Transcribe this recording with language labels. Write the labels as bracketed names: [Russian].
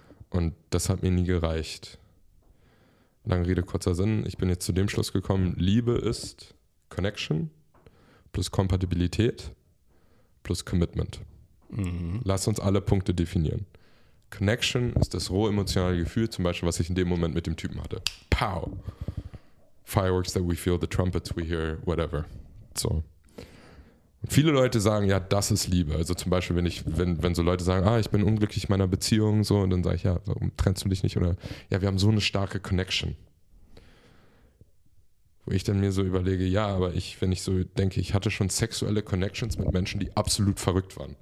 [German] Und das hat mir nie gereicht. Lange Rede, kurzer Sinn. Ich bin jetzt zu dem Schluss gekommen, Liebe ist Connection plus Kompatibilität plus Commitment. Mhm. Lass uns alle Punkte definieren. Connection ist das rohe emotionale Gefühl, zum Beispiel, was ich in dem Moment mit dem Typen hatte. Pow! [English] Fireworks that we feel, the trumpets we hear, whatever. [German] So. Und viele Leute sagen, ja, das ist Liebe. Also zum Beispiel, wenn so Leute sagen, ich bin unglücklich in meiner Beziehung, so, und dann sage ich, ja, warum trennst du dich nicht? Oder ja, wir haben so eine starke Connection. Wo ich dann mir so überlege, ja, aber ich, wenn ich so denke, ich hatte schon sexuelle Connections mit Menschen, die absolut verrückt waren.